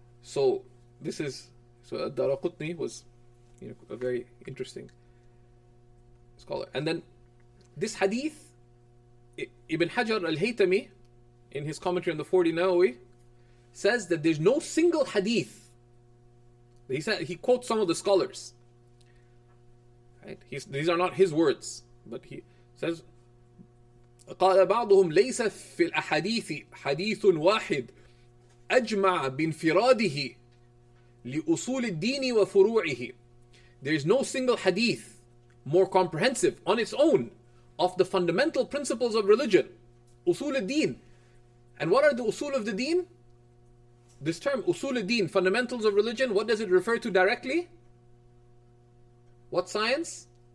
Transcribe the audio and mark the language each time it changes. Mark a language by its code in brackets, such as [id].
[en] So Darqutni was a very interesting scholar. And then this hadith, Ibn Hajar al-Haytami, in his commentary on the 40 Nawawi, says that there's no single hadith. He quotes some of the scholars. Right? These are not his words, but he says, [ar] قَالَ بَعْضُهُمْ لَيْسَ فِي الْأَحَدِيثِ حَدِيثٌ وَاحِدٌ أَجْمَعَ بِانْفِرَادِهِ لِأُصُولِ الدِّينِ وَفُرُوعِهِ. [en] There is no single hadith more comprehensive on its own of the fundamental principles of religion. Usul al-Din. And what are the usul of the deen? This term, usul al-Din, fundamentals of religion, what does it refer to directly? What science?